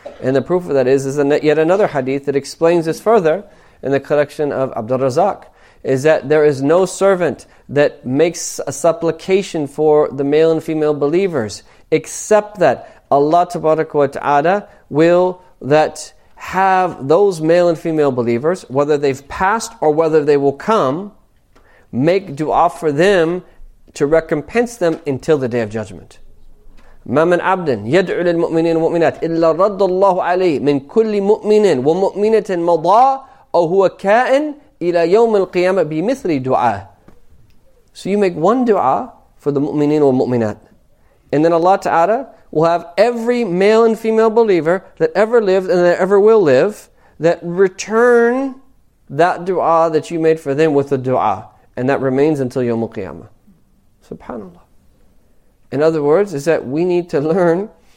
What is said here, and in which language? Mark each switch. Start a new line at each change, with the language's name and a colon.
English: And the proof of that is yet another hadith that explains this further in the collection of Abdul Razak, is that there is no servant that makes a supplication for the male and female believers except that Allah tabaraka wa ta'ala will that have those male and female believers, whether they've passed or whether they will come, make dua for them to recompense them until the day of judgment.
Arabic: مَا مَنْ عَبْدٍ يَدْعُ لِلْمُؤْمِنِينَ وَمُؤْمِنَاتِ إِلَّا رَدَّ اللَّهُ عَلَيْهِ مِنْ كُلِّ مُؤْمِنٍ وَمُؤْمِنَةٍ مَضَى أَوْ هُوَ كَائِنٍ إِلَى يَوْمِ الْقِيَامَةِ بِمِثْلِ دُعَاهِ. So you make one dua for the mu'mineen wa mu'minat.
English: And then Allah Ta'ala will have every male and female believer that ever lived and that ever will live, that return that dua that you made for them with the dua. And that remains until Yawm al-Qiyamah. SubhanAllah. In other words, is that we need to learn